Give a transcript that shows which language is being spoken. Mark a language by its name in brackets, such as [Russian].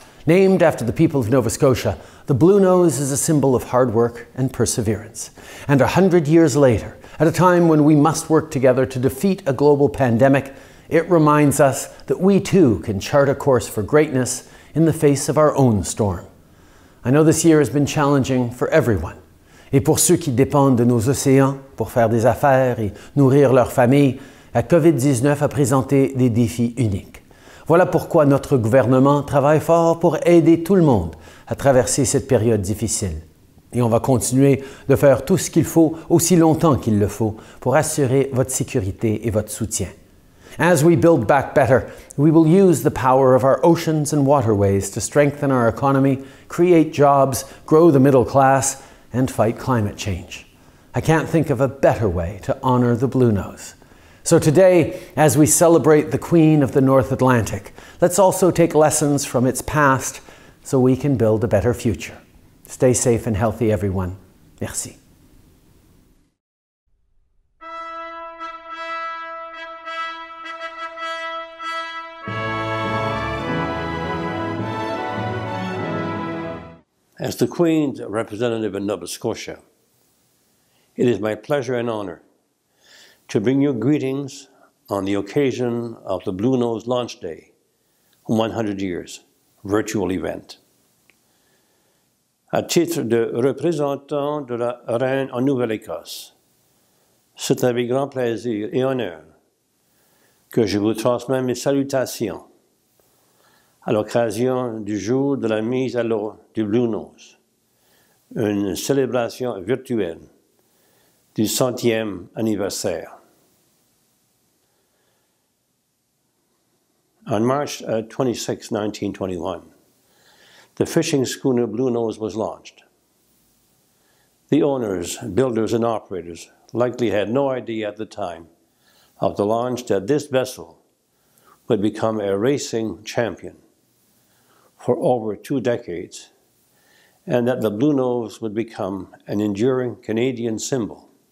[English] Named after the people of Nova Scotia, the Bluenose is a symbol of hard work and perseverance. And 100 years later, at a time when we must work together to defeat a global pandemic, it reminds us that we too can chart a course for greatness in the face of our own storm. I know this year has been challenging for everyone. [French] Et pour ceux qui dépendent de nos océans pour faire des affaires et nourrir leur famille, la COVID-19 a présenté des défis uniques. Voilà pourquoi notre gouvernement travaille fort pour aider tout le monde à traverser cette période difficile. Et on va continuer de faire tout ce qu'il faut, aussi longtemps qu'il le faut, pour assurer votre sécurité et votre soutien. [English] As we build back better, we will use the power of our oceans and waterways to strengthen our economy, create jobs, grow the middle class, and fight climate change. I can't think of a better way to honor the Bluenose. So today, as we celebrate the Queen of the North Atlantic, let's also take lessons from its past so we can build a better future. Stay safe and healthy, everyone. Merci. As the Queen's representative in Nova Scotia, it is my pleasure and honor to bring you greetings on the occasion of the Bluenose Launch Day, 100 years virtual event. [French] À titre de représentant de la Reine en Nouvelle-Écosse, c'est avec grand plaisir et honneur que je vous transmets mes salutations à l'occasion du jour de la mise à l'eau du Bluenose, une célébration virtuelle du 100e anniversaire. [English] On March 26, 1921, the fishing schooner Bluenose was launched. The owners, builders, and operators likely had no idea at the time of the launch that this vessel would become a racing champion for over 2 decades, and that the Bluenose would become an enduring Canadian symbol.